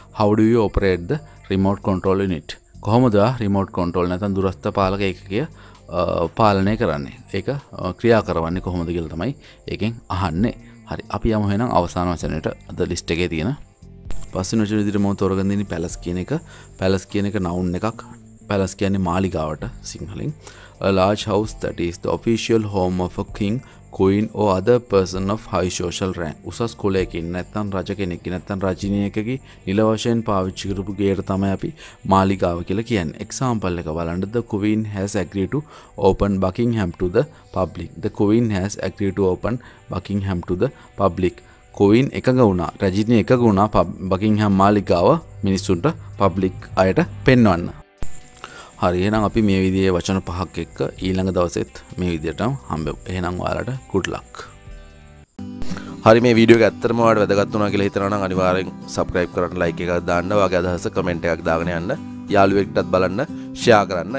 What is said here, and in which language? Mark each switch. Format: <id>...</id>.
<en>How do you operate the remote control unit.</en> <si>කොහොමද remote control නැත්නම් දුරස්ථ පාලක ඒකකය පාලනය කරන්නේ, ඒක ක්‍රියා කරවන්නේ කොහොමද කියලා තමයි ඒකෙන් අහන්නේ. හරි, අපි යමු වෙනම් අවසාන වචනයට. අද ලිස්ට් එකේ තියෙන පස්වෙනි වචන විදිහට මම තෝරගෙන දෙන්නේ පැලස් කියන එක. පැලස් කියන එක නවුන් එකක්. පැලස් කියන්නේ මාලිගාවට සිංහලෙන්.</si> <en>A large house that is the official home of a king, queen or other person of high social rank.</en> <si>උසස් කුලයක ඉන්න නැත්නම් රජ කෙනෙක් නැත්නම් රජිනියකගේ නිල වශයෙන් පාවිච්චි කරපු ගේට තමයි අපි මාලිගාව කියලා කියන්නේ. එක්සැම්පල් එක බලන්න.</si> <en>The queen has agreed to open Buckingham to the public. The queen has agreed to open Buckingham to the public.</en> <si>Coin එකඟ වුණා, රජිනිය එකඟ වුණා බකින්ග්හැම් මාලිගාව මිනිසුන්ට පබ්ලික් අයට පෙන්වන්න. හරි, එහෙනම් අපි මේ විදිහේ වචන පහක් එක්ක ඊළඟ දවසෙත් මේ විදිහටම හම්බෙමු. එහෙනම් ඔයාලට</si> <en>good luck.</en> <si>හරි, මේ වීඩියෝ එක ඇත්තටම ඔයාලට වැදගත් වුණා කියලා හිතනවා නම් අනිවාර්යෙන් subscribe කරන්න, like එකක් දාන්න, ඔයාගේ අදහස comment එකක් දාගෙන යන්න, යාළුවෙක්ටත් බලන්න share කරන්න.</si>